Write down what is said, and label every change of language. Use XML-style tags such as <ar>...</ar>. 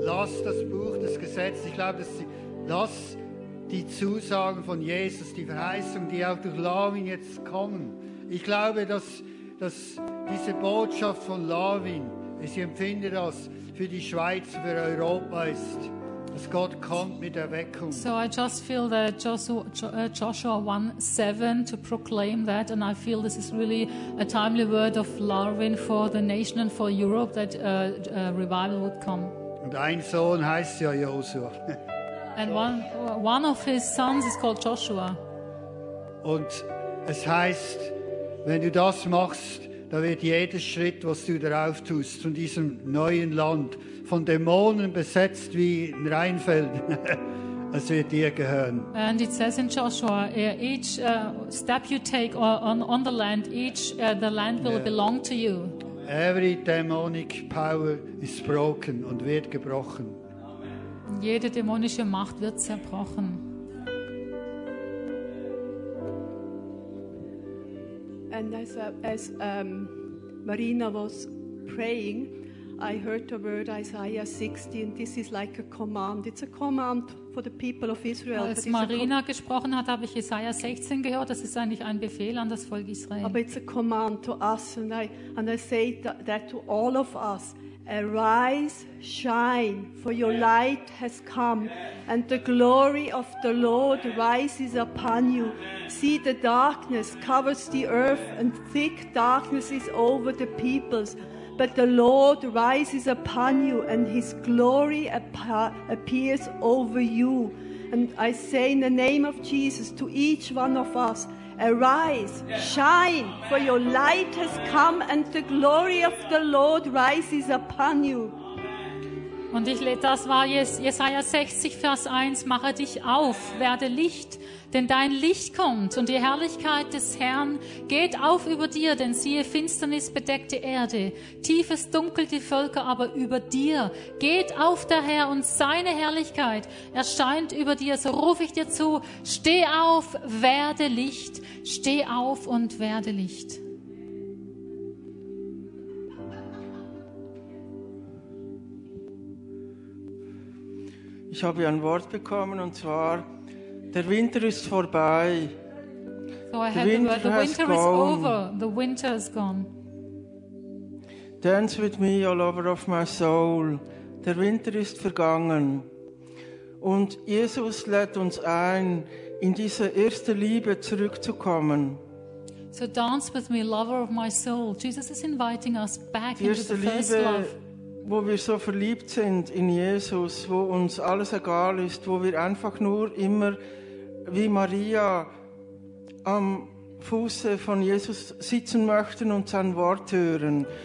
<de>Lass das Buch des Gesetzes, ich glaube, dass sie, lass die Zusagen von Jesus, die Verheißung, die auch durch Lavin jetzt kommen. Ich glaube, dass diese Botschaft von Lavin, ich empfinde das, für die Schweiz, für Europa ist. God kommt mit Erweckung.</de> <en>So I just feel that Joshua 1:7 to proclaim that, and I feel this is really a timely word of Larvin for the nation and for Europe that a revival would come.</en> <de>Und ein Sohn heißt ja Joshua.</de> <en>And one of his sons is called Joshua.</en> <de>Und es heißt, wenn du das machst, da wird jeder Schritt, was du darauf tust, von diesem neuen Land, von Dämonen besetzt wie in Rheinfeld, es wird dir gehören.</de> <en>And it says in Joshua, each step you take on the land, the land will belong to you. Every demonic power is broken</en> <de>und wird gebrochen. Amen. Jede dämonische Macht wird zerbrochen.</de> <en>And as Marina was praying, I heard the word Isaiah 60, and this is like a command. It's a command for the people of Israel.</en> <de>Als Marina gesprochen hat, habe ich Isaiah 16 gehört. Das ist eigentlich ein Befehl an das Volk Israel.</de> <en>But it's a command to us, and I say that to all of us. Arise, shine, for your light has come, and the glory of the Lord rises upon you. See, the darkness covers the earth, and thick darkness is over the peoples. But the Lord rises upon you, and his glory appears over you. And I say in the name of Jesus to each one of us, arise, shine, for your light has come, and the glory of the Lord rises upon you.</en> <de>Und ich das war Jesaja 60, Vers 1. Mache dich auf, werde Licht, denn dein Licht kommt und die Herrlichkeit des Herrn geht auf über dir, denn siehe, Finsternis bedeckt die Erde, tiefes Dunkel die Völker, aber über dir geht auf der Herr und seine Herrlichkeit erscheint über dir. So rufe ich dir zu, steh auf, werde Licht, steh auf und werde Licht. Ich habe ein Wort bekommen und zwar, der Winter ist vorbei.</de> <en>So I had the winter is over. The winter is gone. Dance with me, O lover of my soul.</en> <de>Der Winter ist vergangen. Und Jesus lädt uns ein, in diese erste Liebe zurückzukommen.</de> <en>So dance with me, lover of my soul. Jesus is inviting us back into the first love.</en> <de>Wo wir so verliebt sind in Jesus, wo uns alles egal ist, wo wir einfach nur immer wie Maria am Fuße von Jesus sitzen möchten und sein Wort hören.</de>